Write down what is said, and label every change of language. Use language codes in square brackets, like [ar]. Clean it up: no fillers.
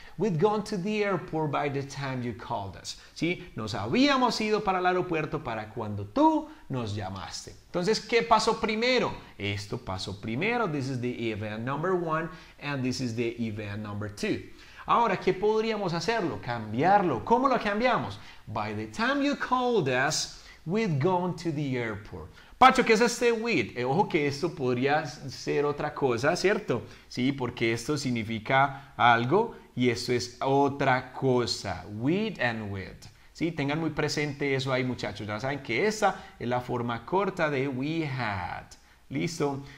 [en] We'd gone to the airport by the time you called us. [es] ¿Sí? Nos habíamos ido para el aeropuerto para cuando tú nos llamaste. Entonces, ¿qué pasó primero? Esto pasó primero. [en] This is the event number one and this is the event number two. [es] Ahora, ¿qué podríamos hacerlo? Cambiarlo. ¿Cómo lo cambiamos? [en] By the time you called us, we'd gone to the airport. [es] Pacho, ¿qué es este with? Ojo que esto podría ser otra cosa, ¿cierto? Sí, porque esto significa algo y esto es otra cosa. With and with. Sí, tengan muy presente eso ahí, muchachos. Ya saben que esta es la forma corta de we had. Listo.